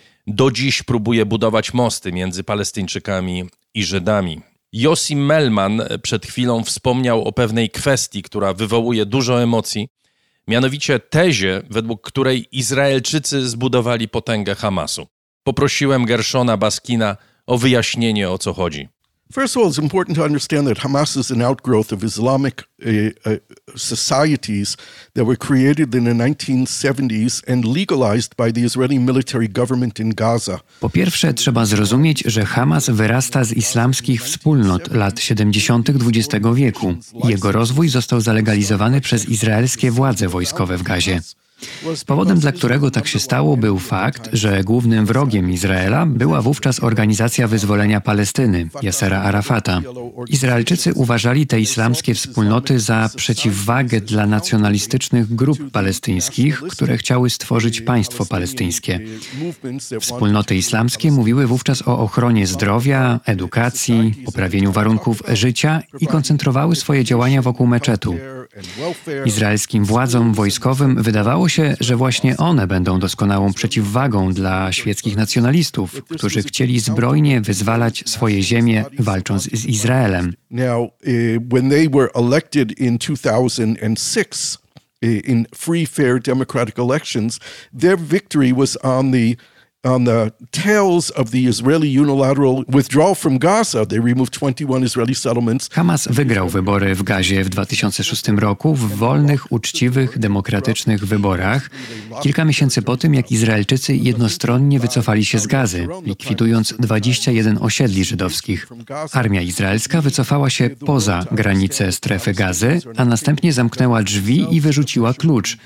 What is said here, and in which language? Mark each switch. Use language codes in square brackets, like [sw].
[pl] Do dziś próbuje budować mosty między Palestyńczykami i Żydami. Yossi Melman przed chwilą wspomniał o pewnej kwestii, która wywołuje dużo emocji, mianowicie tezie, według której Izraelczycy zbudowali potęgę Hamasu. Poprosiłem Gershona Baskina o wyjaśnienie, o co chodzi. [en] First of all, it's important to understand that Hamas is an outgrowth of Islamic societies that were created in the 1970s and legalized by the Israeli military government in Gaza. [pl] Po pierwsze, trzeba zrozumieć, że Hamas wyrasta z islamskich wspólnot lat 70. XX wieku. Jego rozwój został zalegalizowany przez izraelskie władze wojskowe w Gazie. Powodem, dla którego tak się stało, był fakt, że głównym wrogiem Izraela była wówczas Organizacja Wyzwolenia Palestyny, Yasera Arafata. Izraelczycy uważali te islamskie wspólnoty za przeciwwagę dla nacjonalistycznych grup palestyńskich, które chciały stworzyć państwo palestyńskie. Wspólnoty islamskie mówiły wówczas o ochronie zdrowia, edukacji, poprawieniu warunków życia i koncentrowały swoje działania wokół meczetu. Izraelskim władzom wojskowym wydawało się, że właśnie one będą doskonałą przeciwwagą dla świeckich nacjonalistów, którzy chcieli zbrojnie wyzwalać swoje ziemie, walcząc z Izraelem. [en] Now, when they were elected in 2006 in free, fair, democratic elections, their victory was on the tails of the Israeli unilateral withdrawal from Gaza. They removed 21 Israeli settlements. [pl] Hamas wygrał wybory w Gazie w 2006 roku w wolnych, uczciwych, demokratycznych wyborach, kilka miesięcy po tym, jak Izraelczycy jednostronnie wycofali się z Gazy, likwidując 21 osiedli żydowskich. Armia izraelska wycofała się poza granice strefy Gazy, a następnie zamknęła drzwi i wyrzuciła klucz.